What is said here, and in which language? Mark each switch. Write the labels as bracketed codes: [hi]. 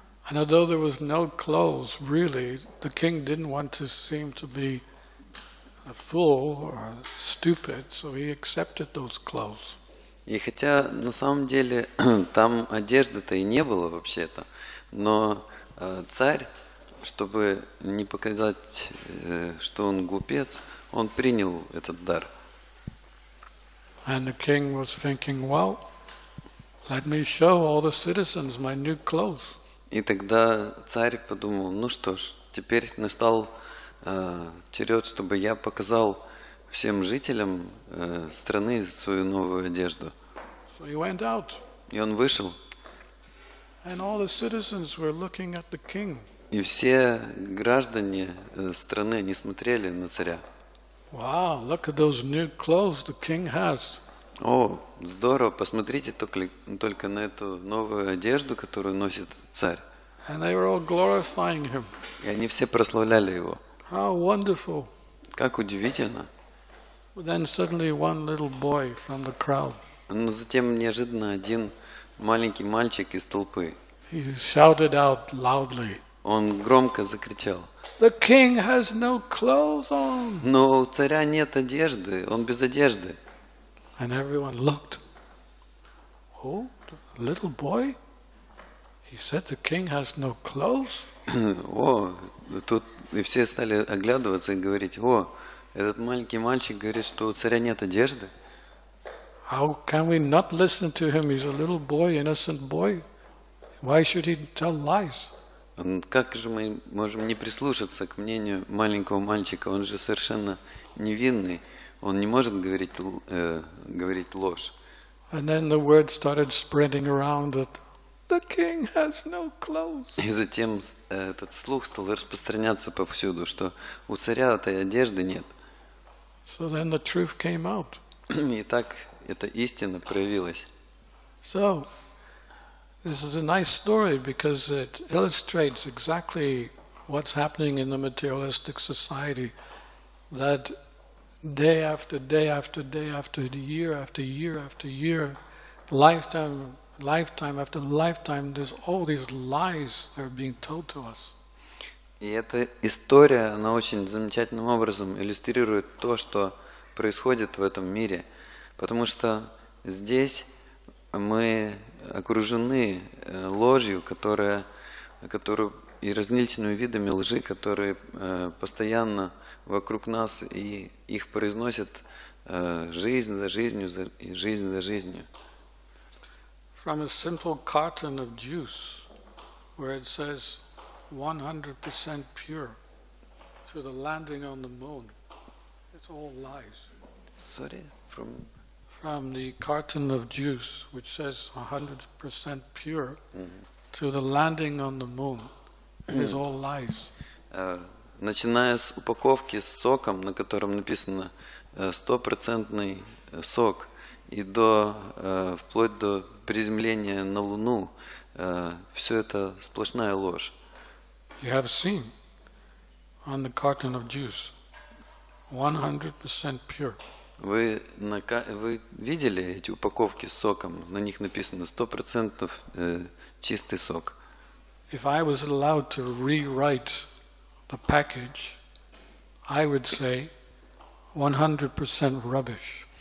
[en] And although there was no clothes really, the king didn't want to seem to be a fool or stupid, so he accepted those clothes. [ru] И хотя на самом деле там одежды-то и не было вообще-то, но царь, чтобы не показать, что он глупец, он принял этот дар. [en] And the king was thinking, well, let me show all the citizens my new clothes. [ru] И тогда царь подумал, ну что ж, теперь настал черед, чтобы я показал всем жителям страны свою новую одежду. [en] So he went out. [ru] И он вышел. [en] And all the citizens were looking at the king. [ru] И все граждане страны, они смотрели на царя. [en] Wow, look at those new clothes the king has. [ru] О, здорово, посмотрите только на эту новую одежду, которую носит царь. [en] And they were all glorifying him. [ru] И они все прославляли его. [en] How wonderful. [ru] Как удивительно. [en] But then suddenly one little boy from the crowd. [ru] Но затем неожиданно один маленький мальчик из толпы. [en] He shouted out loudly. [ru] Он громко закричал. [en] The king has no clothes on. [ru] Но у царя нет одежды, он без одежды. [en] And everyone looked. Who? The little boy? He said the king has no clothes. [ru] О, тут и все стали оглядываться и говорить: о, этот маленький мальчик говорит, что у царя нет одежды. [en] How can we not listen to him? He's a little boy, innocent boy. Why should he tell lies? [ru] Как же мы можем не прислушаться к мнению маленького мальчика? Он же совершенно невинный. Он не может говорить ложь. [en] And then the word started spreading around that the king has no clothes. [ru] И затем этот слух стал распространяться повсюду, что у царя этой одежды нет. [en] So then the truth came out. [ru] И так эта истина проявилась. [en] So this is a nice story because it illustrates exactly what's happening in the materialistic society that day after day after day after year after year after year, lifetime, lifetime after lifetime, there's all these lies that are being told to us. [ru] И эта история, она очень замечательным образом иллюстрирует то, что происходит в этом мире, потому что здесь мы окружены ложью, которую и различными видами лжи, которые постоянно вокруг нас, и их произносят жизнь за жизнью, жизнь за жизнью. [en] From a simple carton of juice, where it says 100% pure, to the landing on the moon, it's all lies. Sorry, from the carton of juice, which says 100% pure, to the landing on the moon, it's all lies. [ru] Начиная с упаковки с соком, на котором написано 100% сок, и до вплоть до приземления на Луну, все это сплошная ложь. [en] You have seen on the carton of juice 100% pure. [ru] Вы видели эти упаковки с соком? На них написано 100% чистый сок. [en] If I was allowed to rewrite a package, I would say 100% rubbish.